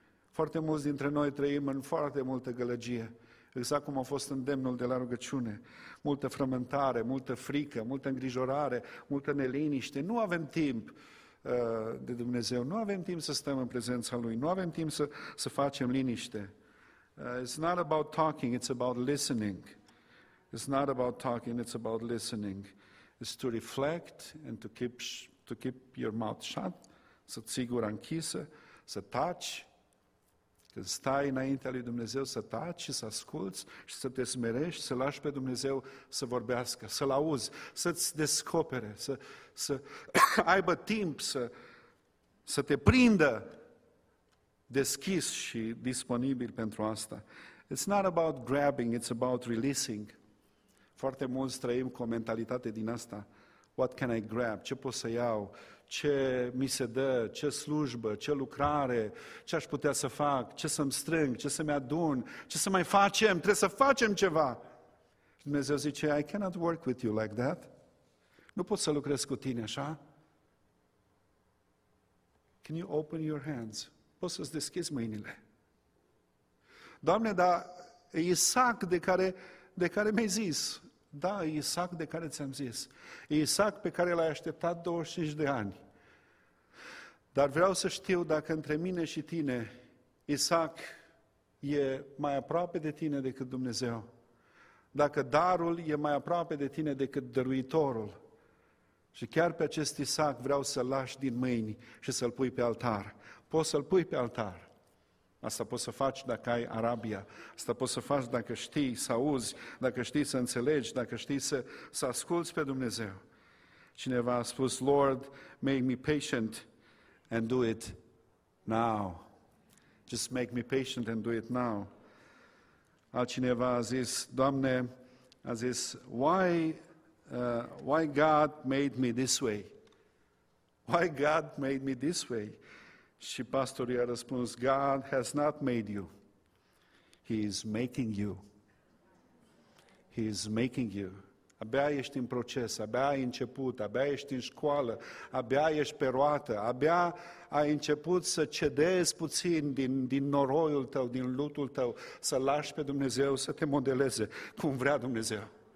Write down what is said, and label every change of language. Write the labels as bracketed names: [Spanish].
[Romanian] Foarte mulți dintre noi trăim în foarte multă gălăgie, exact cum a fost îndemnul de la rugăciune. Multă frământare, multă frică, multă îngrijorare, multă neliniște. Nu avem timp de Dumnezeu, nu avem timp să stăm în prezența Lui, nu avem timp să facem liniște. [English] It's not about talking, it's about listening. It's not about talking, it's about listening. It's to reflect and to keep your mouth shut, [Romanian] să ții gura închisă, să taci. Când stai înaintea lui Dumnezeu, să taci și să asculți și să te smerești, să lași pe Dumnezeu să vorbească, să-L auzi, să-ți descopere, să aibă timp să te prindă deschis și disponibil pentru asta. [English] It's not about grabbing, it's about releasing. [Romanian] Foarte mulți trăim cu o mentalitate din asta. [English] What can I grab? [Romanian] Ce pot să iau? Ce mi se dă? Ce slujbă? Ce lucrare? Ce aș putea să fac? Ce să-mi strâng? Ce să-mi adun? Ce să mai facem? Trebuie să facem ceva! Dumnezeu zice, [English] I cannot work with you like that. [Romanian] Nu pot să lucrez cu tine așa. [English] Can you open your hands? [Romanian] Poți să-ți deschizi mâinile. Doamne, dar Isaac de care mi-ai zis, da, Isaac de care ți-am zis, Isaac pe care l-ai așteptat 25 de ani, dar vreau să știu dacă între mine și tine Isaac e mai aproape de tine decât Dumnezeu, dacă darul e mai aproape de tine decât dăruitorul și chiar pe acest Isaac vreau să-l lași din mâini și să-l pui pe altar. Poți să-l pui pe altar. Asta poți să faci dacă ai arabia, asta poți să faci dacă știi să auzi, dacă știi să înțelegi, dacă știi să asculți pe Dumnezeu. Cineva a spus, [English] Lord, make me patient and do it now. Just make me patient and do it now. [Romanian] Altcineva a zis, Doamne, a zis, [English] why God made me this way? Why God made me this way? [Romanian] Și pastorul i-a răspuns, [English] God has not made you, He is making you. He is making you. [Romanian] Abia ești în proces, abia ai început, abia ești în școală, abia ești pe roată, abia ai început să cedezi puțin din noroiul tău, din lutul tău, să lași pe Dumnezeu să te modeleze cum vrea Dumnezeu.